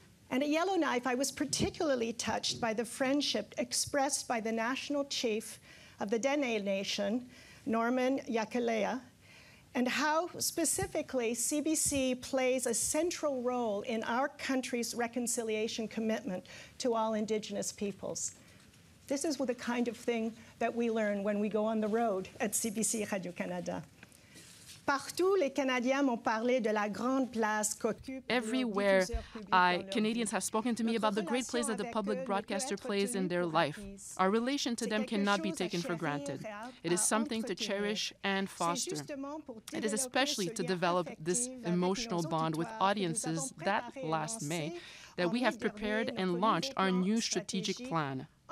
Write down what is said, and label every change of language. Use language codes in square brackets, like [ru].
[en] And at Yellowknife, I was particularly touched by the friendship expressed by the national chief of the Dene Nation, Norman Yakalea, and how specifically CBC plays a central role in our country's reconciliation commitment to all Indigenous peoples. This is the kind of thing that we learn when we go on the road at CBC Radio-Canada. [fr] Partout, les Canadiens m'ont parlé de la grande place qu'occupe. [en] Everywhere, Canadians have spoken to me about the great place that the public broadcaster plays in their life. Our relation to them cannot be taken for granted. It is something to cherish and foster. It is especially to develop this emotional bond with audiences that last May that we have prepared and launched our new strategic plan.